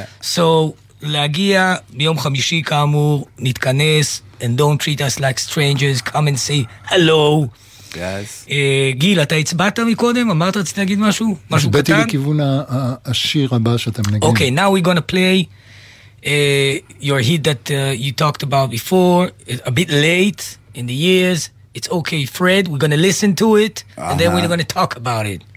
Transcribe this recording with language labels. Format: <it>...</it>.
<en>So,</en> <he>להגיע ביום חמישי כאמור, נתכנס,</he> <en>and don't treat us like strangers, come and say hello. Yes.</en> <he>גיל, אתה הצבעת מקודם? אמרת, רצית להגיד משהו? משהו קטן? הבאתי לכיוון השיר הבא שאתם נגיד.</he> <en>Okay, now we're gonna play your hit that you talked about before, a bit late in the years. It's okay, Fred, we're gonna listen to it, and then we're gonna talk about it.</en>